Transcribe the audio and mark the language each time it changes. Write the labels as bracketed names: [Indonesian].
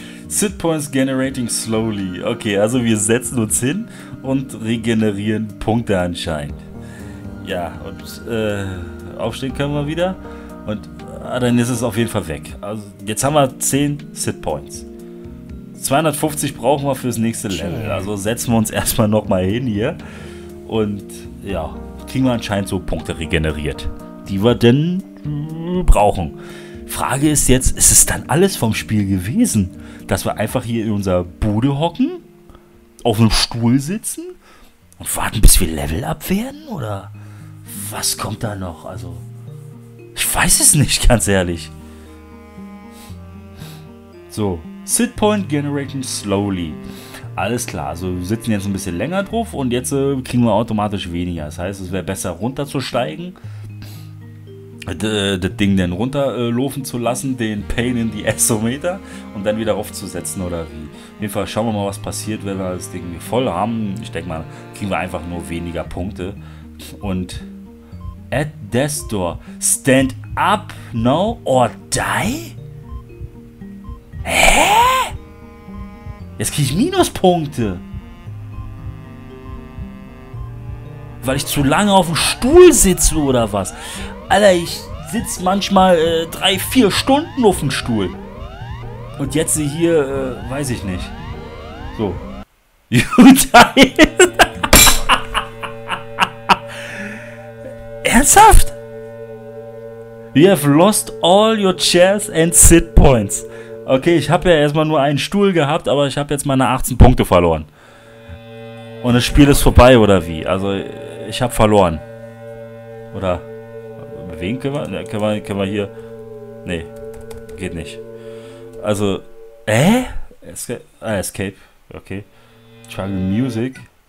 [English] Sit Points Generating Slowly. [German] Okay, also wir setzen uns hin und regenerieren Punkte anscheinend. Ja, und aufstehen können wir wieder. Und dann ist es auf jeden Fall weg. Also jetzt haben wir 10 Sit Points. 250 brauchen wir fürs nächste Level. Also setzen wir uns erstmal nochmal hin hier. Und ja, kriegen wir anscheinend so Punkte regeneriert, die wir denn brauchen. Frage ist jetzt, ist es dann alles vom Spiel gewesen, dass wir einfach hier in unserer Bude hocken, auf einem Stuhl sitzen und warten, bis wir Level up werden? Oder was kommt da noch? Also, ich weiß es nicht, ganz ehrlich. [English] So, Sit Point Generating Slowly. [German] Alles klar, also wir sitzen jetzt ein bisschen länger drauf und jetzt kriegen wir automatisch weniger. Das heißt, es wäre besser runterzusteigen, das Ding dann runterlaufen zu lassen, den Pain in die Essometer und dann wieder aufzusetzen oder wie. Auf jeden Fall schauen wir mal, was passiert, wenn wir das Ding voll haben. Ich denke mal, kriegen wir einfach nur weniger Punkte. Und [English] at Death's Door, stand up now or die? [German] Jetzt kriege ich Minuspunkte. Weil ich zu lange auf dem Stuhl sitze oder was? Alter, ich sitze manchmal 3-4 Stunden auf dem Stuhl. Und jetzt hier, weiß ich nicht. [English] So. You die. [German] Ernsthaft? [English] You have lost all your chairs and sit points. [German] Okay, ich habe ja erstmal nur einen Stuhl gehabt, aber ich habe jetzt meine 18 Punkte verloren. Und das Spiel ist vorbei, oder wie? Also, ich habe verloren. Oder bewegen können wir? Können wir hier? Nee, geht nicht. Also, Escape. Okay. Jungle Music.